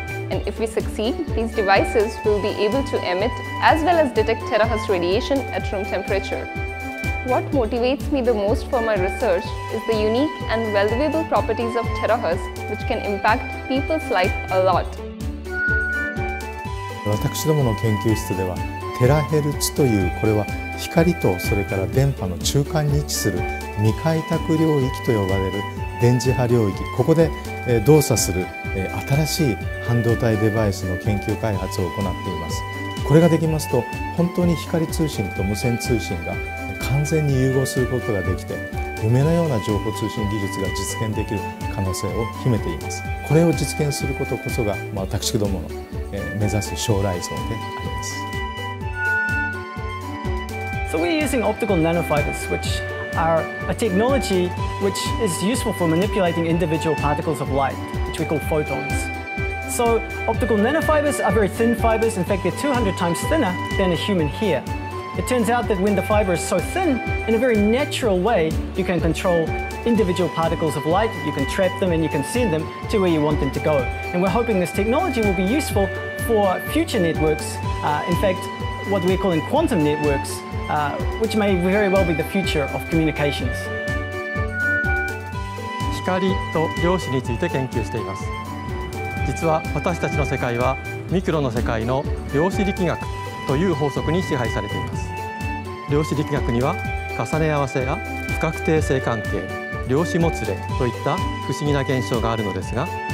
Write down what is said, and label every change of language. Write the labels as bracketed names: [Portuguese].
[English] And if we succeed, these devices will be able to emit as well as detect terahertz radiation at room temperature. What motivates me the most for my research is the unique and valuable properties of terahertz, which can impact people's life a lot. [Japanese] 私どもの研究室では、テラヘルツという、これは光とそれから電波の中間に位置する未開拓領域と呼ばれる電磁波領域、ここで動作する新しい半導体デバイスの研究開発を行っています。これができますと、本当に光通信と無線通信が完全に融合することができて、夢のような情報通信技術が実現できる可能性を秘めています。これを実現することこそが、私どもの目指す将来像であります。 [English] So we're using optical nanofibers, which are a technology which is useful for manipulating individual particles of light, which we call photons. So optical nanofibers are very thin fibers. In fact, they're 200 times thinner than a human hair. It turns out that when the fiber is so thin, in a very natural way, you can control individual particles of light. You can trap them and you can send them to where you want them to go. And we're hoping this technology will be useful for future networks. In fact, what we're calling quantum networks, which may very well be the future of communications. [Japanese] 光と量子について研究しています。実は私たちの世界はミクロの世界の量子力学という法則に支配されています。量子力学には重ね合わせや不確定性関係、量子もつれといった不思議な現象があるのですが、